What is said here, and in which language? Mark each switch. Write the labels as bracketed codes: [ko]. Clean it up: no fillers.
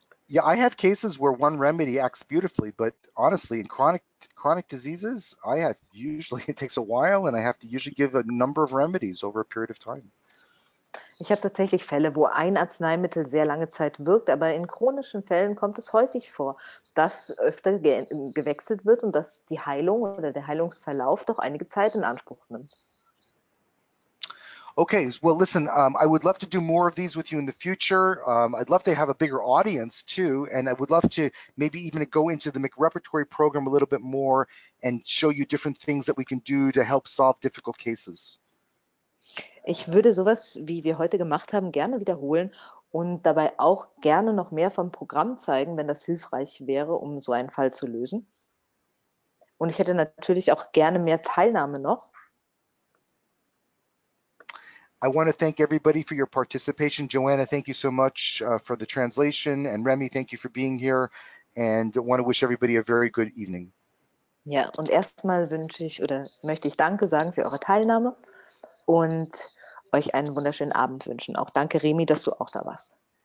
[en] Yeah, I have cases where one remedy acts beautifully, but honestly, in chronic diseases, I have usually it takes a while, and I have to usually give a number of remedies over a period of time. [de] Ich habe tatsächlich Fälle, wo ein Arzneimittel sehr lange Zeit wirkt, aber in chronischen Fällen kommt es häufig vor, dass öfter gewechselt wird und dass die Heilung oder der Heilungsverlauf doch einige Zeit in Anspruch nimmt. [en] Okay, well, listen, I would love to do more of these with you in the future. I'd love to have a bigger audience too, and I would love to maybe even go into the McRepertory program a little bit more and show you different things that we can do to help solve difficult cases. [de] Ich würde sowas, wie wir heute gemacht haben, gerne wiederholen und dabei auch gerne noch mehr vom Programm zeigen, wenn das hilfreich wäre, um so einen Fall zu lösen. Und ich hätte natürlich auch gerne mehr Teilnahme noch. [en] I want to thank everybody for your participation. Joanna, thank you so much for the translation. And Remy, thank you for being here. And I want to wish everybody a very good evening. [de] Ja, und erstmal wünsche ich oder möchte ich Danke sagen für eure Teilnahme und euch einen wunderschönen Abend wünschen. Auch danke, Remy, dass du auch da warst.